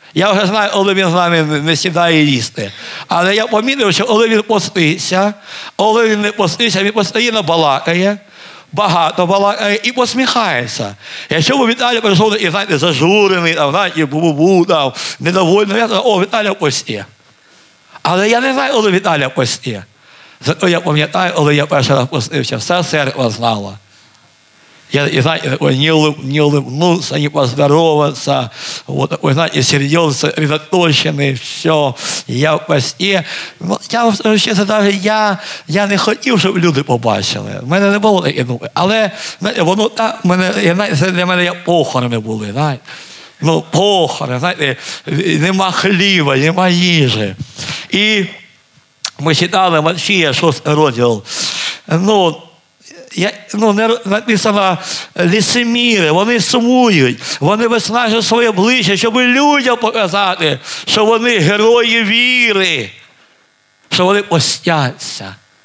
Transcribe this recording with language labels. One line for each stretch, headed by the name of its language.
Ukrainian: Я вже знаю, коли він з нами не сідає їсти. Але я помітив, що коли він поститься, коли він не поститься, він постійно балакає, багато балакає і посміхається. Якщо б Віталя прийшов, і знаєте, зажурений, там, знаєте, бу-бу-бу, там, недовольний, я кажу, о, Віталя пості. Але я не знаю, коли Віталя пості. Зато я пам'ятаю, коли я перший раз постився, вся церква знала.
Russian: И знаете, не улыбнуться, не поздороваться. Вот такой, знаете, серьезный, сосредоточенный, все, я в посте. Ну, я, честно, даже я не хотел, чтобы люди побачили. У меня не было таких
Ukrainian: думок. Але, знаете, воно так, знаете, для меня як похорони були, знаете. Ну, похорони, знаете, нема хліба, нема їжі. І ми читали Матфія, 6 розділ. Ну, я, ну, не написано лицеміри, вони сумують, вони виснажують своє обличчя, щоб людям показати, що вони герої віри, що вони постяться.